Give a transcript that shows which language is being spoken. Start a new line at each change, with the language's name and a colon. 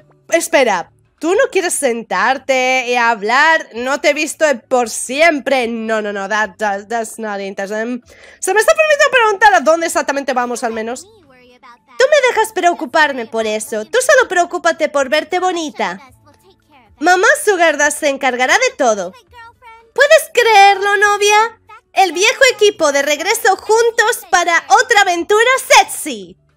Spanish: Espera, ¿tú no quieres sentarte y hablar? No te he visto por siempre.
English: No, that's not interesting.
Spanish: Se me está permitiendo preguntar a dónde exactamente vamos al menos. Tú me dejas preocuparme por eso. Tú solo preocúpate por verte bonita. Mamá Sugarda se encargará de todo. ¿Puedes creerlo, novia? El viejo equipo de regreso juntos para otra aventura sexy.